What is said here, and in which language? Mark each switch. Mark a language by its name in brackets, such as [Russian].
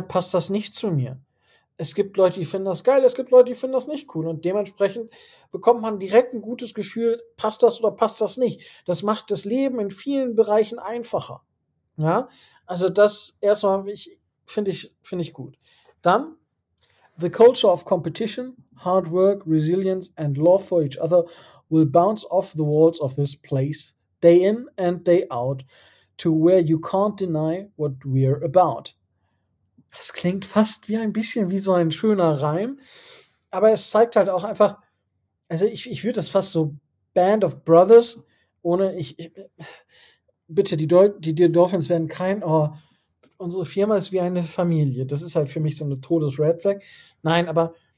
[German] Passt das nicht zu mir? Es gibt Leute, die finden das geil, es gibt Leute, die finden das nicht cool. Und dementsprechend bekommt man direkt ein gutes Gefühl, passt das oder passt das nicht. Das macht das Leben in vielen Bereichen einfacher. Ja, also das erstmal finde ich gut. [English] Dann, the culture of competition, hard work, resilience and love for each other will bounce off the walls of this place, day in and day out, to where you can't deny what we're about. [German] Das klingt fast wie ein bisschen wie so ein schöner Reim, aber es zeigt halt auch einfach, also ich würde das fast so Band of Brothers, ohne, die Dolphins werden kein, oh, unsere Firma ist wie eine Familie, das ist halt für mich so eine Todes-Red Flag, nein, aber